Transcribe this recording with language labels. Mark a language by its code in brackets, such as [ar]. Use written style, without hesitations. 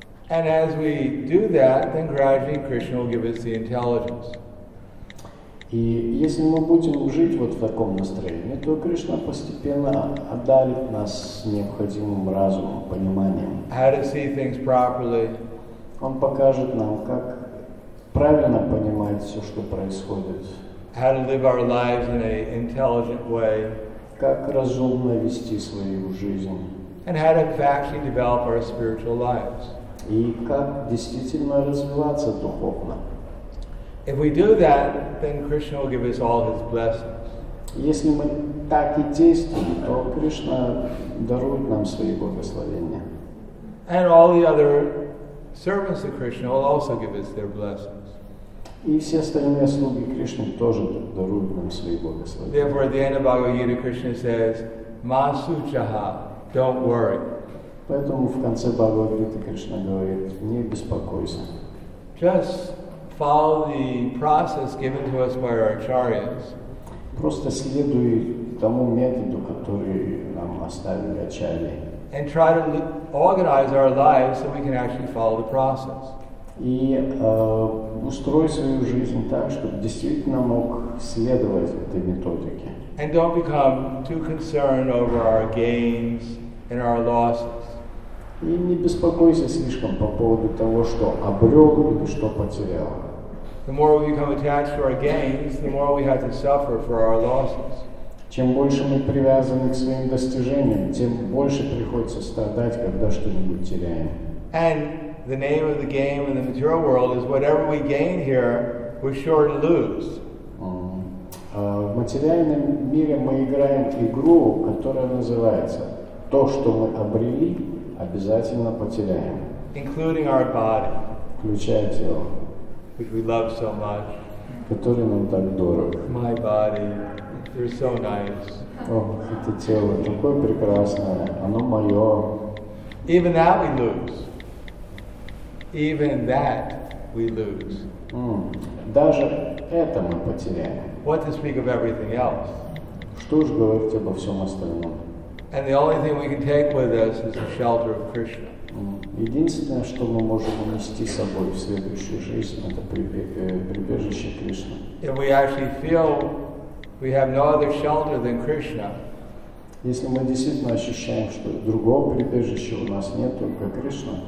[en] And as we do that, then gradually Krishna will give us the intelligence. [ru] И если мы будем жить вот в таком настроении, то Кришна постепенно отдалит нас необходимым разумом, пониманием. [en] How to see things properly. [ru] Он покажет нам, как правильно понимать все, что происходит. [en] How to live our lives in an intelligent way. [ru] Как разумно вести свою жизнь. [en] And how to actually develop our spiritual lives. [ru] И как действительно развиваться духовно. [en] If we do that, then Krishna will give us all his blessings. [ru] Если мы так и действуем, то Кришна дарует нам свои благословения. [en] And all the other servants of Krishna will also give us their blessings. [ru] И все остальные слуги Кришны тоже даруют нам свои благословения. [en] Therefore, at the end of Bhagavad Gita, Krishna says, "Ma suchaha, don't worry." [ru] Поэтому в конце Бхагавад-гиты Кришна говорит: не беспокойся. [en] Just follow the process given to us by our acharyas. [ru] Просто следуй тому методу, который нам оставили ачарьи. [en] And try to organize our lives so we can actually follow the process. [ru] И устрой свою жизнь так, чтобы действительно мог следовать этой методике. [en] And don't become too concerned over our gains and our losses. [ru] И не беспокойся слишком по поводу того, что обрел или что потерял. [en] The more we become attached to our gains, the more we have to suffer for our losses. [ru] Чем больше мы привязаны к своим достижениям, тем больше приходится страдать, когда что-нибудь теряем. [en] And the name of the game in the material world is whatever we gain here, we're sure to lose. [ru] В материальном мире мы играем игру, которая называется то, что мы обрели, обязательно потеряем. [en] Including our body, [ru] включая тело, [en] which we love so much, [ru] который нам так дорог. [en] My body, you're so nice. [ru] О, это тело такое прекрасное, оно мое. [en] Even that we lose. Even that we lose. [ru] Даже это мы потеряем. [en] What to speak of everything else? [ru] Что ж говорить обо всем остальном? [en] And the only thing we can take with us is the shelter of Krishna. [ru] Единственное, что мы можем унести с собой в следующую жизнь, это прибежище Кришны. [en] If we actually feel we have no other shelter than Krishna, [ru] если мы действительно ощущаем, что другого прибежища у нас нет, только Кришна,